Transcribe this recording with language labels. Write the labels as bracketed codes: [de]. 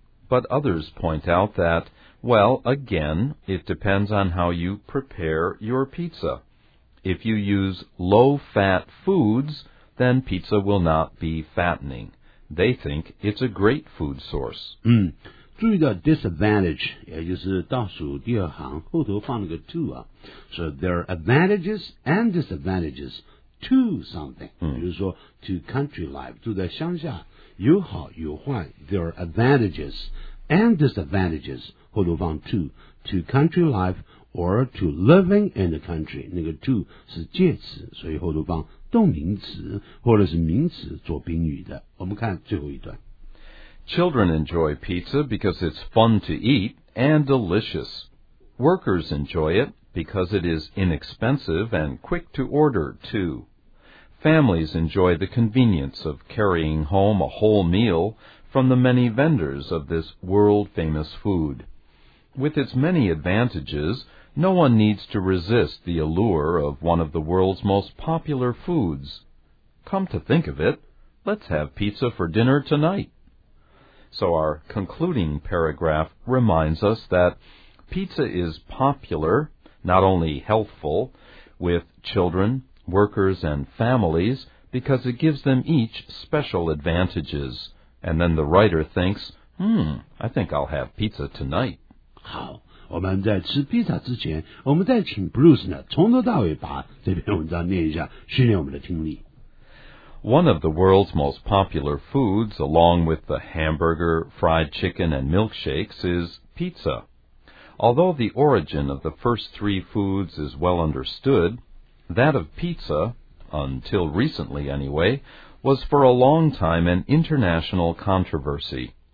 [en] But others point out that,Well, again, it depends on how you prepare your pizza. If you use low-fat foods, then pizza will not be fattening. They think it's a great food source. [zh] 注意到 disadvantage, 也就是倒数第二行后头放了个 to 啊。 [en] So there are advantages and disadvantages to something. [zh] 比如说 [en] to country life, [zh] 住在乡下有好有坏 [en] There are advantages and disadvantages. [zh] 后头放 [en] to country life or to living in the country， [zh] 那个 to 是介词，所以后头放动名词或者是名词做宾语的。我们看最后一段。 [en] Children enjoy pizza because it's fun to eat and delicious. Workers enjoy it because it is inexpensive and quick to order too. Families enjoy the convenience of carrying home a whole meal from the many vendors of this world famous food. With its many advantages, no one needs to resist the allure of one of the world's most popular foods. Come to think of it, let's have pizza for dinner tonight. So our concluding paragraph reminds us that pizza is popular, not only healthful, with children, workers, and families, because it gives them each special advantages. And then the writer thinks, I think I'll have pizza tonight. [zh] 好，我们在吃披萨之前，我们再请 Bruce 呢，从头到尾把这篇文章念一下，训练我们的听力。 [en] One of the world's most popular foods, along with the hamburger, fried chicken, and milkshakes, is pizza. Although the origin of the first three foods is well understood, that of pizza, until recently anyway, was for a long time an international controversy.